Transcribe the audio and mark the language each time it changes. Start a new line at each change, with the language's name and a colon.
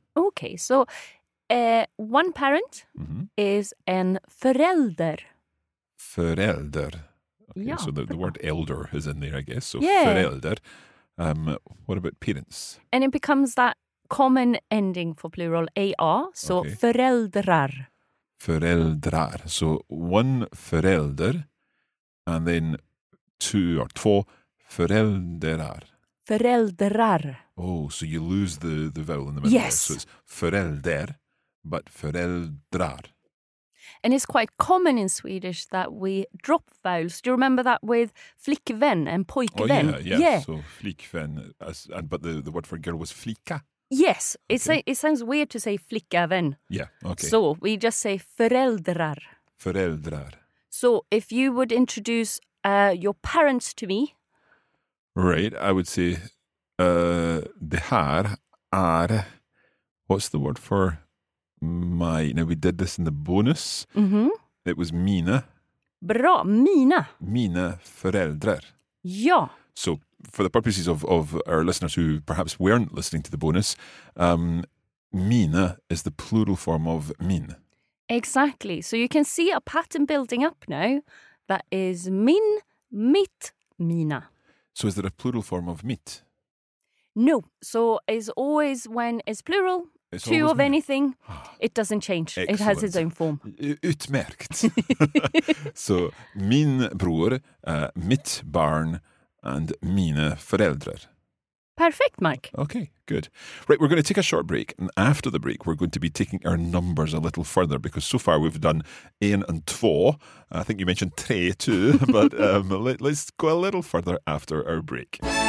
English: Okay, so... one parent is en förälder.
Swedish: Förälder.
English: Okay, ja, so the word elder is in there, I guess. So yeah. Förälder. What about parents? And it becomes that common ending for plural, AR. So okay. Föräldrar.
Swedish: Föräldrar.
English: So one förälder and then two or två föräldrar.
Swedish: Föräldrar.
English: Oh, so you lose the vowel in the middle. Yes. So it's förälder. But föräldrar. And it's quite common in Swedish that we drop vowels. Do you remember that with flickvän and pojkvän? Oh, yeah. So flickvän, but the word for girl was flicka. Yes. Okay. It sounds weird to say flickvän. Yeah, okay. So we just say föräldrar.
Swedish: Föräldrar.
English: So if you would introduce your parents to me. Right. I would say,
Swedish: det här är,
English: what's the word for... My, now we did this in the bonus. Mm-hmm. It was mina.
Swedish: Bra, mina. Mina föräldrar. Ja.
English: So for the purposes of our listeners who perhaps weren't listening to the bonus, mina is the plural form of min. Exactly. So you can see a pattern building up now that is min, mitt, mina. So is there a plural form of mitt? No. So it's always when it's plural... It's two of anything, it doesn't change. Excellent. It has its own form.
Swedish: Utmärkt.
English: So,
Swedish: min bror, mitt barn,
English: and mina föräldrar. Perfect, Mark. Okay, good. Right, we're going to take a short break. And after the break, we're going to be taking our numbers a little further because so far we've done en and två. I think you mentioned tre too, but let's go a little further after our break.